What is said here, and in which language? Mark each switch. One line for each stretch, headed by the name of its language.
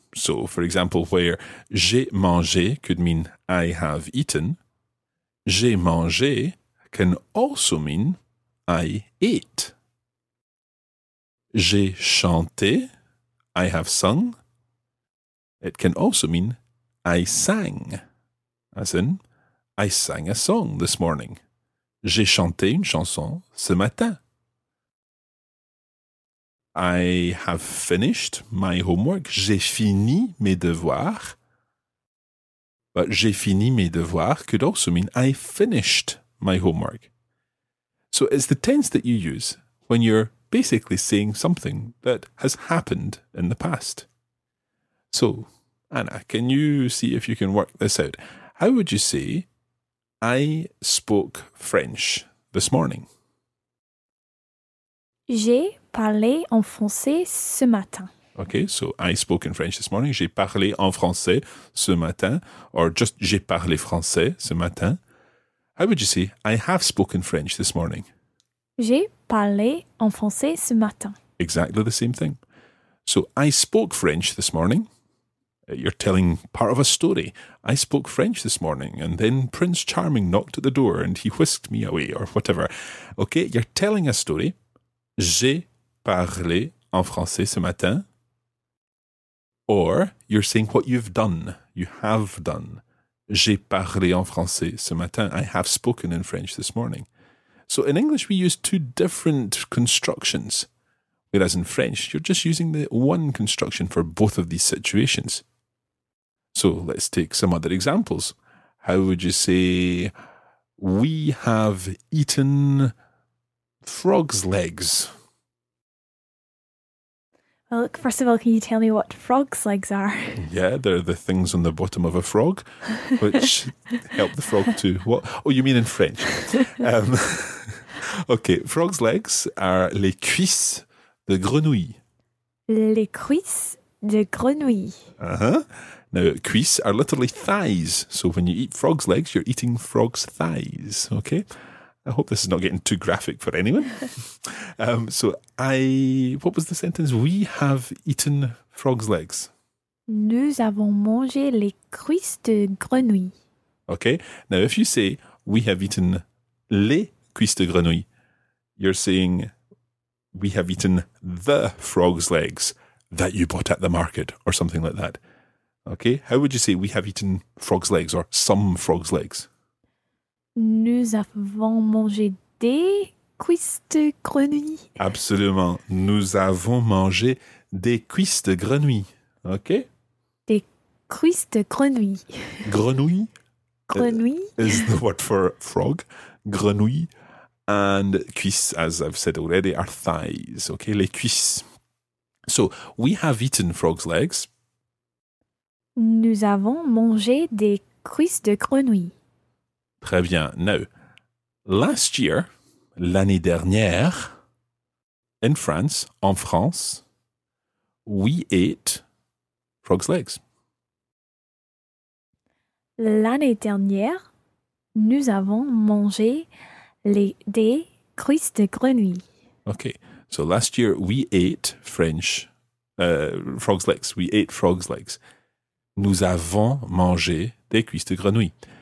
English: So, for example, where
French: j'ai mangé
English: could mean I have eaten, j'ai mangé can also mean I ate.
French: J'ai chanté,
English: I have sung. It can also mean I sang, as in I sang a song this morning.
French: J'ai chanté une chanson ce matin.
English: I have finished my homework.
French: J'ai fini mes devoirs.
English: But
French: j'ai fini mes devoirs
English: could also mean I finished my homework. So it's the tense that you use when you're basically saying something that has happened in the past. So, Anna, can you see if you can work this out? How would you say, I spoke French this morning?
French: J'ai parlé en français ce matin.
English: Okay, so I spoke in French this morning.
French: J'ai parlé en français ce matin. Or just, j'ai parlé français ce matin.
English: How would you say, I have spoken French this morning?
French: J'ai parlé en français ce matin.
English: Exactly the same thing. So, I spoke French this morning. You're telling part of a story. I spoke French this morning, and then Prince Charming knocked at the door and he whisked me away, or whatever. Okay, you're telling a story.
French: J'ai parlé en français ce matin.
English: Or, you're saying what you've done. You have done.
French: J'ai parlé en français ce matin.
English: I have spoken in French this morning. So in English, we use two different constructions, whereas in French, you're just using the one construction for both of these situations. So let's take some other examples. How would you say, we have eaten frog's legs? Well, look, first of all, can you tell me what frog's legs are? Yeah, they're the things on the bottom of a frog, which help the frog to... What? Oh, you mean in French. Okay, frog's legs are
French: les cuisses de grenouille. Les cuisses de grenouille. Uh-huh.
English: Now, cuisse are literally thighs. So when you eat frog's legs, you're eating frog's thighs. Okay? I hope this is not getting too graphic for anyone. What was the sentence? We have eaten frog's legs.
French: Nous avons mangé les cuisses de grenouille.
English: Okay. Now, if you say, we have eaten
French: les cuisses de grenouille,
English: you're saying, we have eaten the frog's legs that you bought at the market or something like that. Okay. How would you say, we have eaten frog's legs or some frog's legs?
French: Nous avons mangé des cuisses de grenouille. Absolument. Nous avons mangé des cuisses de grenouille.
English: Okay?
French: Des cuisses de grenouille. Grenouille. Grenouille.
English: Is the word for frog. Grenouille. And cuisses, as I've said already, are thighs. Okay?
French: Les cuisses.
English: So, we have eaten frog's legs.
French: Nous avons mangé des cuisses de grenouille. Très bien.
English: Now, last year,
French: l'année dernière,
English: in France,
French: en France,
English: we ate frog's legs.
French: L'année dernière, nous avons mangé des cuisses de grenouille.
English: Okay. So last year, we ate frog's legs. We ate frog's legs.
French: Nous avons mangé des cuisses de grenouille.